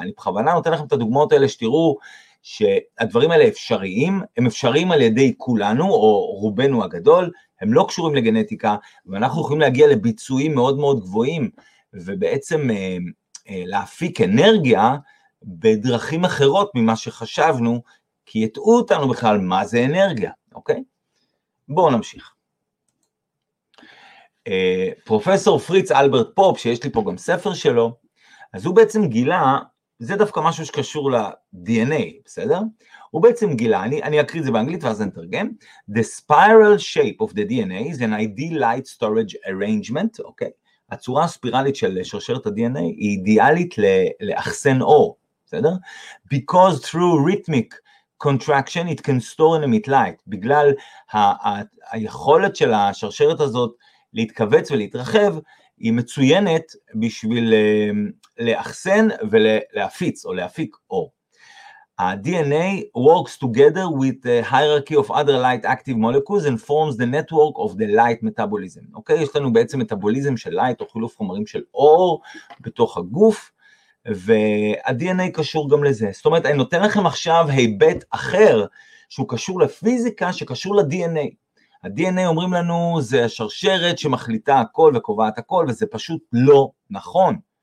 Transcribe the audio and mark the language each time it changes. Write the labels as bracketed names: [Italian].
[Hebrew] אני בכוונה נותן לכם את הדוגמאות האלה שתראו, שהדברים האלה אפשריים, הם אפשריים על ידי כולנו, או רובנו הגדול, הם לא קשורים לגנטיקה, ואנחנו יכולים להגיע לביצועים מאוד מאוד גבוהים, ובעצם להפיק אנרגיה בדרכים אחרות ממה שחשבנו, כי יטעו אותנו בכלל מה זה אנרגיה, אוקיי? בואו נמשיך. פרופסור פריץ אלברט פופ, שיש לי פה גם ספר שלו, אז הוא בעצם גילה, זה דווקא משהו שקשור ל-DNA, בסדר? הוא בעצם גילה, אני אקריא את זה באנגלית ואז נתרגם, [English] The spiral shape of the DNA is an ideal light storage arrangement, [Hebrew] אוקיי? הצורה הספירלית של שרשרת ה-DNA היא אידיאלית לאחסן אור, בסדר? [English] Because through rhythmic contraction it can store in a emit light, [Hebrew] בגלל היכולת של השרשרת הזאת להתכווץ ולהתרחב, היא מצוינת בשביל לאחסן ולהפיץ או להפיק אור. [English] ה-DNA works together with the hierarchy of other light active molecules and forms the network of the light metabolism. [Hebrew] אוקיי, יש לנו בעצם מטאבוליזם של light או חילוף חומרים של אור בתוך הגוף, וה-DNA קשור גם לזה. זאת אומרת, אני נותן לכם עכשיו היבט אחר שהוא קשור לפיזיקה, שקשור ל-DNA. ה-DNA אומרים לנו זה השרשרת שמחליטה הכל וקובעת הכל, וזה פשוט לא נכון.